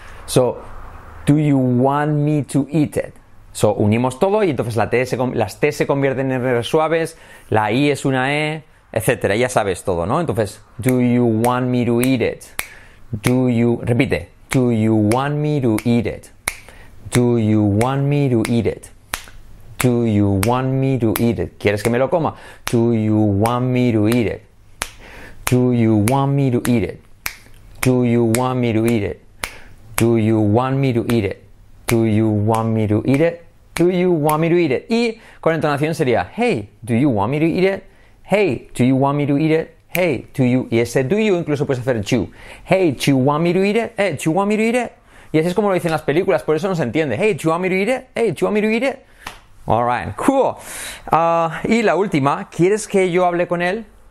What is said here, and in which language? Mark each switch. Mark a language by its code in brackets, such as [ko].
[en] So, do you want me to eat it? [es] So, unimos todo y entonces las T se convierten en R suaves. La I es una E, etc. Ya sabes todo, ¿no? [en] Entonces, do you want me to eat it? Do you... Repite. Do you want me to eat it? Do you want me to eat it? Do you want me to eat it? [es] ¿Quieres que me lo coma? [en] Do you want me to eat it? Do you want me to eat it? Do you want me to eat it? Do you want me to eat it? Do you want me to eat it? Do you want me to eat it? [es] Y con entonación sería, [en] hey, do you want me to eat it? Hey, do you want me to eat it? Hey, do you... [es] Y ese [en] do you [es] incluso puedes hacer [en] you. Hey, do you want me to eat it? Hey, do you want me to eat it? [es] Y así es como lo dicen las películas, por eso no se entiende. [en] Hey, do you want me to eat it? Hey, do you want me to eat it? Alright, cool. [es] Y la última, ¿quieres que yo hable con él?